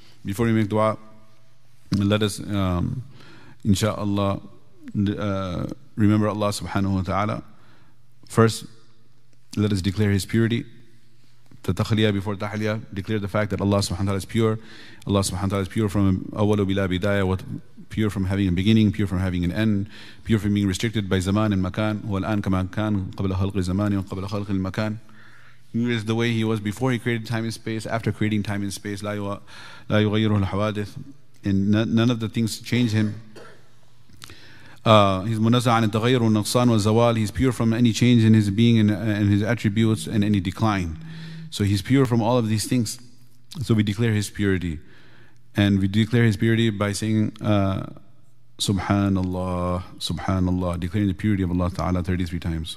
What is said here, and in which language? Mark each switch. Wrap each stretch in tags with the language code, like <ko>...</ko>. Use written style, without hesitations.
<en>Before we make dua, let us, inshallah, remember Allah subhanahu wa ta'ala. First, let us declare His purity. تتخليا before تحليا, declare the fact that Allah subhanahu wa ta'ala is pure. Allah subhanahu wa ta'ala is pure from</en> <ar>awwalu bila bidaya,</ar> <en>pure from having a beginning, pure from having an end, pure from being restricted by zaman and makan.</en> <ar>هو الآن كما كان قبل خلق الزمان وقبل خلق المكان.</ar> <en>He is the way he was before he created time and space, after creating time and space.</en> <ar>لا يغيره الحوادث,</ar> <en>and none of the things change him. He's</en> <ar>منزه عن التغير والنقصان والزوال.</ar> <en>He's pure from any change in his being and his attributes and any decline. So he's pure from all of these things. So we declare his purity. And we declare his purity by saying, Subhanallah, Subhanallah, declaring the purity of Allah Ta'ala 33 times.</en>